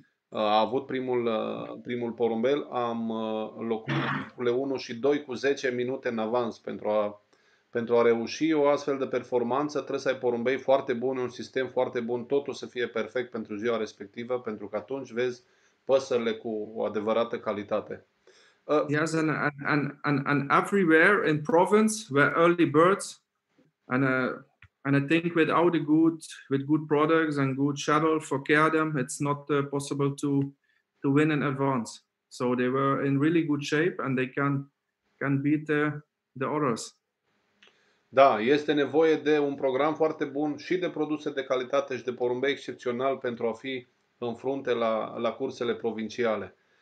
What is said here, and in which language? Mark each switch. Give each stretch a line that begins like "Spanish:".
Romanian: A avut primul porumbel, am locuit locurile 1 și 2 cu 10 minute în avans pentru a... Pentru a reuși o astfel de performanță, trebuie să ai porumbei foarte buni, un sistem foarte bun, totul să fie perfect pentru ziua respectivă, pentru că atunci vezi păsările cu o adevărată calitate.
English: Yes, and everywhere in province where early birds and I think without a good products and good shuttle for care them, it's not possible to win in advance. So they were in really good shape and they can beat the others.
Romanian: Da, este nevoie de un program foarte bun și de produse de calitate și de porumbei excepțional pentru a fi în frunte la cursele provinciale.